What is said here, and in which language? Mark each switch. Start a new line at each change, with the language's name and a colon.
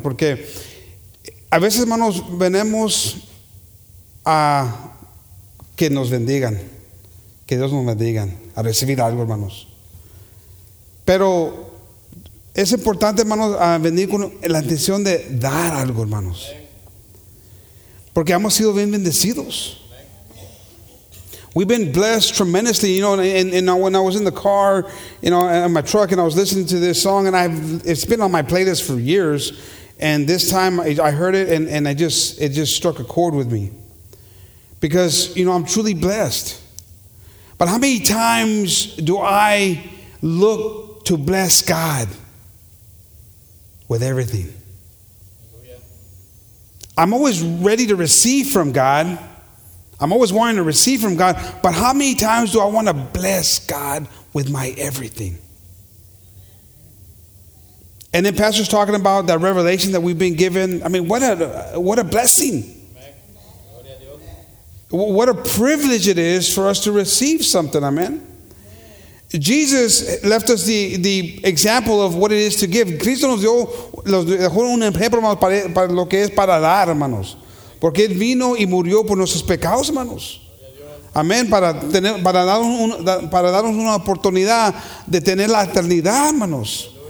Spanish: Porque a veces, hermanos, venimos a que nos bendigan, que Dios nos bendiga, a recibir algo, hermanos. Pero es importante, hermanos, a venir con la intención de dar algo, hermanos. Porque hemos sido bien bendecidos.
English: We've been blessed tremendously, you know, and when I was in the car, you know, in my truck, and I was listening to this song, and it's been on my playlist for years, and this time I heard it, and it just struck a chord with me. Because, you know, I'm truly blessed. But how many times do I look to bless God with everything? I'm always ready to receive from God. I'm always wanting to receive from God. But how many times do I want to bless God with my everything? And then Pastor's talking about that revelation that we've been given. I mean, what a blessing. What a privilege it is for us to receive something, amen? Jesus left us the example of what it is to give.
Spanish: Cristo nos dejó un ejemplo, hermanos, para lo que es para dar, hermanos. Porque Él vino y murió por nuestros pecados, hermanos. Amén, para darnos una oportunidad de tener la eternidad, hermanos.